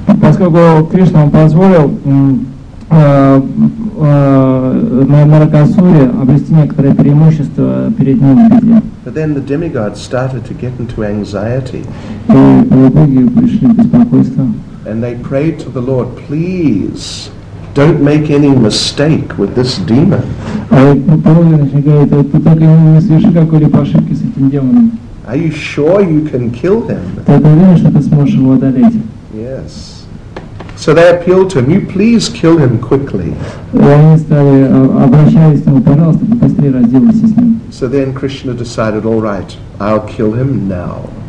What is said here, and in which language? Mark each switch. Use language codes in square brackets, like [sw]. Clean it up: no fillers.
[ru] Поскольку Кришна позволил Наракасуре обрести некоторое преимущество перед ним в битве. [en] But then the demigods started to get into anxiety. [ru] И боги пришли в беспокойство. [en] And they prayed to the Lord, please, don't make any mistake with this demon. [ru] Боги начали говорить, ты только не соверши какой-либо ошибки с этим демоном. [en] Are you sure you can kill him? [ru] Ты уверен, что ты сможешь его одолеть? [en] Yes. So they appealed to him, you please kill him quickly. So then Krishna decided, all right, I'll kill him now.